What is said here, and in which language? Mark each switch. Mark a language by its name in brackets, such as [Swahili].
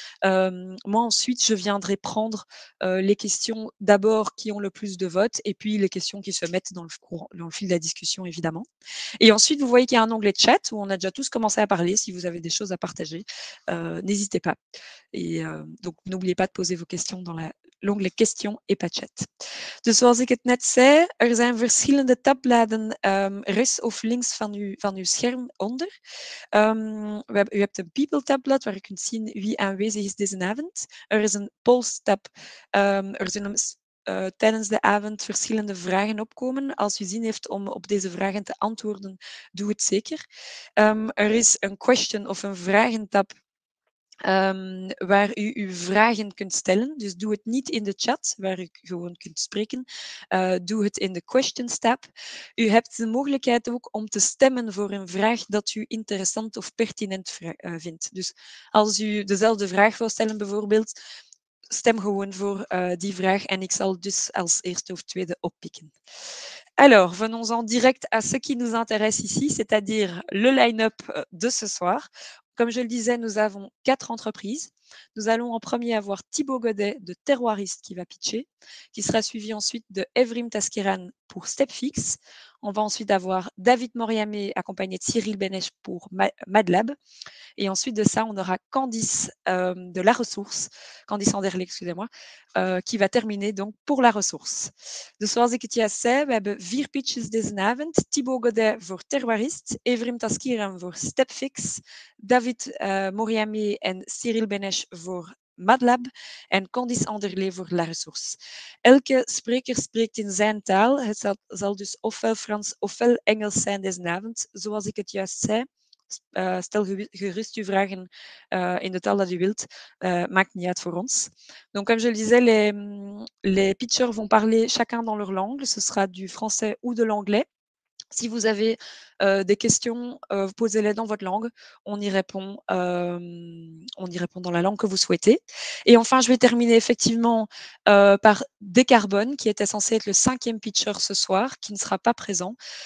[French] Moi, ensuite, je viendrai prendre les questions d'abord qui ont le plus de votes et puis les questions qui se mettent dans le fil de la discussion, évidemment. Et ensuite, vous voyez qu'il y a un onglet chat où on a déjà tous commencé à parler. Si vous avez des choses à partager, n'hésitez pas. Et donc, n'oubliez pas de poser vos questions dans l'onglet questions et pas chat. [Dutch] Dus zoals ik het net zei, er zijn verschillende tabbladen rechts of links van uw scherm onder. U hebt een people tabblad waar u kunt zien wie aanwezig is deze avond. Er is een polls tab. Er zijn tijdens de avond verschillende vragen opkomen. Als u zin heeft om op deze vragen te antwoorden, doe het zeker. Er is een question of een vragen tab. Waar u uw vragen kunt stellen. Dus doe het niet in de chat, waar u gewoon kunt spreken. Doe het in de questions tab. U hebt de mogelijkheid ook om te stemmen voor een vraag dat u interessant of pertinent vindt. Dus als u dezelfde vraag wil stellen bijvoorbeeld, stem gewoon voor die vraag en ik zal dus als eerste of tweede oppikken. [French] Alors, venons-en direct à ce qui nous intéresse ici, c'est-à-dire le line-up de ce soir. Comme je le disais, nous avons 4 entreprises. Nous allons en premier avoir Thibaut Godet de Terroiriste qui va pitcher, qui sera suivi ensuite de Evrim Taskiran pour Stepfix. On va ensuite avoir David Moriamé accompagné de Cyril Benesch pour Madlab. Et ensuite de ça, on aura Candice Anderley, qui va terminer donc pour La Ressource. [Dutch] Dus zoals ik het je zei, we hebben 4 pitches deze avond. Thibaut Godet voor Terroiriste, Evrim Taskiran voor Stepfix, David Moriamé en Cyril Benesch voor Madlab en Candice Anderley voor La Ressource. Elke spreker spreekt in zijn taal. Het zal dus ofwel Frans ofwel Engels zijn deze avond. Zoals ik het juist zei, stel gerust uw vragen in de taal dat u wilt. Maakt niet uit voor ons. [French] Donc, comme je le disais, les pitchers vont parler chacun dans leur langue. Ce sera du français ou de l'anglais. Si vous avez des questions, posez-les dans votre langue. On y répond dans la langue que vous souhaitez. Et enfin, je vais terminer effectivement par Décarbone, qui était censé être le cinquième pitcher ce soir, qui ne sera pas présent.